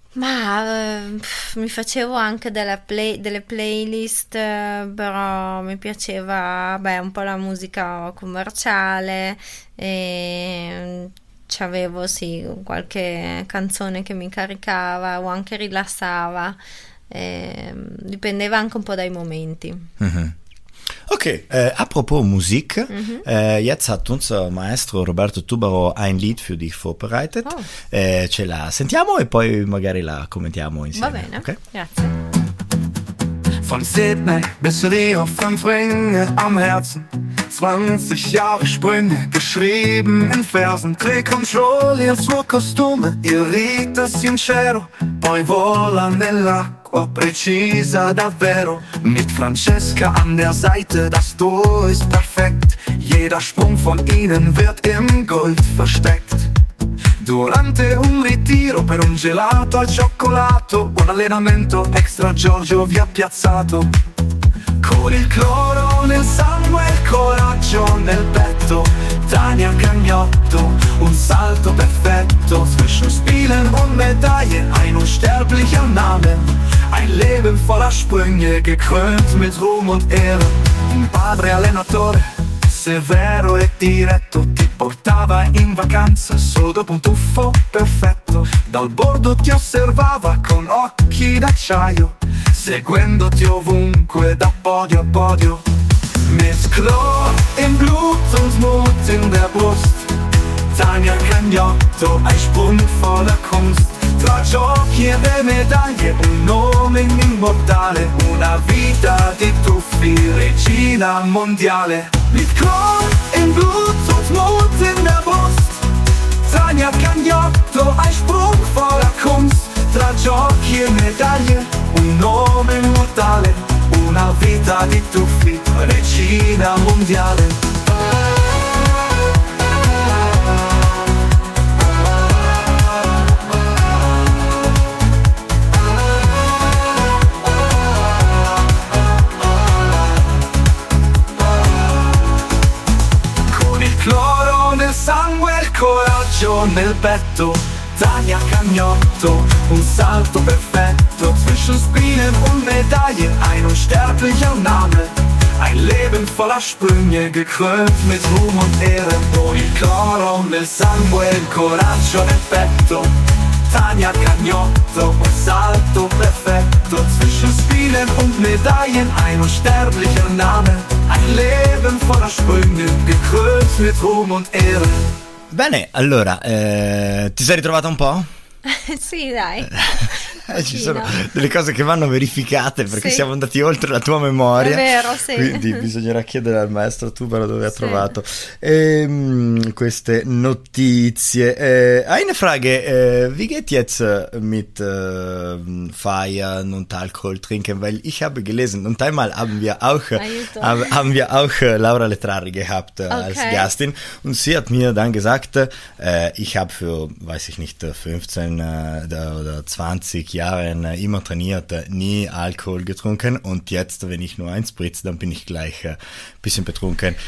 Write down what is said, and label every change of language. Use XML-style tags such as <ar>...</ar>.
<it>Ma mi facevo anche delle playlist, però mi piaceva, un po' la musica commerciale, e c'avevo sì qualche canzone che mi caricava o anche rilassava, e dipendeva anche un po' dai momenti. Mm-hmm.</it> <de>Ok, apropos Musik, jetzt hat unser Maestro Roberto Tubaro ein Lied für dich vorbereitet. Oh.</de> <it>Ce la sentiamo e poi magari la commentiamo insieme. Va bene, okay? Grazie.</it> <de>Von Sydney bis Rio, 5 Ringe am Herzen, 20 Jahre Sprünge geschrieben in Versen.</de> <en>Take control,</en> <it>il suo costume, il rito sincero, poi vola nella precisa davvero.</it> <de>Mit Francesca an der Seite, das Duo ist perfekt, jeder Sprung von ihnen wird im Gold versteckt.</de> <it>durante un ritiro per un gelato al cioccolato, un allenamento extra Giorgio vi ha piazzato. Con il cloro nel sangue e il coraggio nel petto, Tania Cagnotto, un salto perfetto.</it> <de>Zwischen Spielen und Medaille, ein unsterblicher Name, ein Leben voller Sprünge, gekrönt mit Ruhm und Ehre.</de> <it>Un padre allenatore, severo e diretto, ti portava in vacanza solo dopo un tuffo perfetto. Dal bordo ti osservava con occhi d'acciaio, seguendoti ovunque da podio a podio.</it> <de>Mit Chlor im Blut und Mut in der Brust, Tania Cagnotto, ein Sprung voller Kunst.</de> <it>Tra giochi e medaglie, un nome immortale, una vita di tuffi, regina mondiale.</it> <de>Mit Chlor im Blut und Mut in der Brust, Tania Cagnotto, ein Sprung voller Kunst.</de> <it>Tra giochi e medaglie, un nome immortale, una vita di tuffi, regina mondiale. Con il cloro nel sangue e il coraggio nel petto, Tania Cagnotto, un salto perfetto.</it> <de>Zwischen Spinnen und Medaille, ein unsterblicher Name, ein Leben voller Sprünge, gekrönt mit Ruhm und Ehre.</de> <it>Con il coro nel sangue, il coraggio nel petto, Tania Cagnotto, un salto perfetto.</it> <de>Zwischen Spinnen und Medaillen, ein unsterblicher Name, ein Leben voller Sprünge, gekrönt mit Ruhm und Ehre.</de> <it>Bene, allora, ti sei ritrovata un po'? Sì, dai. Ci sono delle cose che vanno verificate perché sì, siamo andati oltre la tua memoria. È vero, sì. Quindi bisognerà chiedere al maestro Tubero dove sì, ha trovato queste notizie.</it> <de>Eine Frage, wie geht jetzt mit Feiern und Alkohol trinken? Weil ich habe gelesen, und einmal haben wir auch Laura Letrari gehabt als okay, Gastin. Und sie hat mir dann gesagt, ich habe für, weiß ich nicht, 15 oder 20 Jahren immer trainiert, nie Alkohol getrunken, und jetzt, wenn ich nur eins spritze, dann bin ich gleich ein bisschen betrunken.</de>